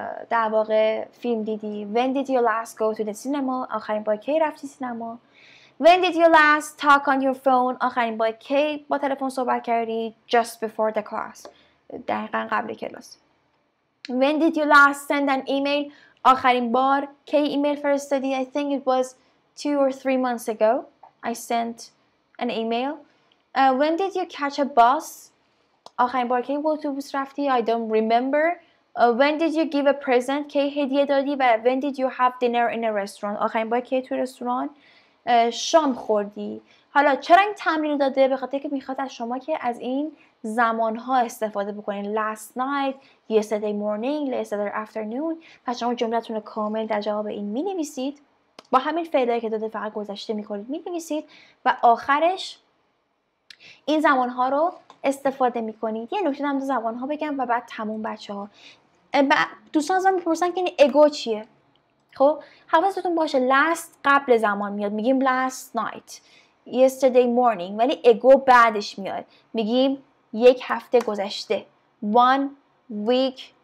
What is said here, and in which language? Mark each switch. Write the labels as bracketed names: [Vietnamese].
[Persian] در واقع فیلم دیدی [English] when did you last go to the cinema [Persian] آخرین بار که رفتی سینما [English] when did you last talk on your phone [Persian] آخرین بار که با تلفن صحبت کردی [English] just before the class [Persian] دقیقا قبل کلاس [English] when did you last send an email [Persian] آخرین بار که ایمیل فرستادی [English] I think it was 2 or 3 months ago, I sent an email. When did you catch a bus? [Persian] آخرین بار که اتوبوس رفتی? [English] I don't remember. When did you give a present? [Persian] که هدیه دادی? [English] و when did you have dinner in a restaurant? [Persian] آخرین بار که تو رستوران شام خوردی. حالا چرا این تمرین داده؟ به خاطر که میخواد از شما که از این زمانها استفاده بکنین. [English] Last night, yesterday morning, yesterday afternoon. [Persian] پس شما جملتون کامل در جواب این مینویسید. با همین فعلایی که داده فقط گذشته میکنید میبینیسید و آخرش این زمانها رو استفاده میکنید یه نکته هم دو زبانها بگم و بعد تموم بچه ها دوستان از من میپرسن که این اگو چیه خب حواستون باشه last قبل زمان میاد میگیم [English] last night yesterday morning [Persian] ولی اگو بعدش میاد میگیم یک هفته گذشته [English] one week